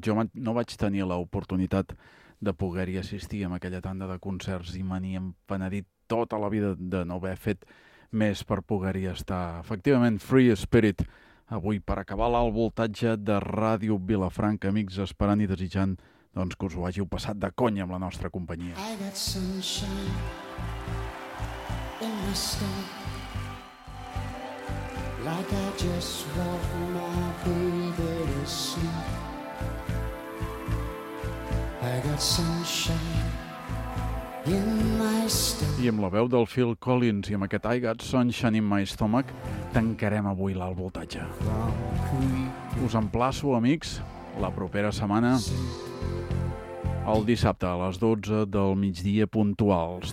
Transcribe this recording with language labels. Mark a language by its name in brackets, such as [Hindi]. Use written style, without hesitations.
[Catalan] Jo no vaig tenir l'oportunitat de poder-hi assistir amb aquella tanda de concerts i me n'hi hem penedit tota la vida de no haver fet més per poder-hi estar. Efectivament, Free Spirit, avui per acabar l'alt voltatge de Ràdio Vilafranca, amics, esperant i desitjant doncs que us ho hàgiu passat de conya amb la nostra companyia. [English] I got sunshine in my skin, like I just walked my baby to sleep. I got sunshine in my stomach. [Catalan] I amb la veu del Phil Collins i amb aquest I got sunshine in my stomach tancarem avui l'alt voltatge. Us emplaço, amics, la propera setmana, el dissabte a les 12 del migdia puntuals.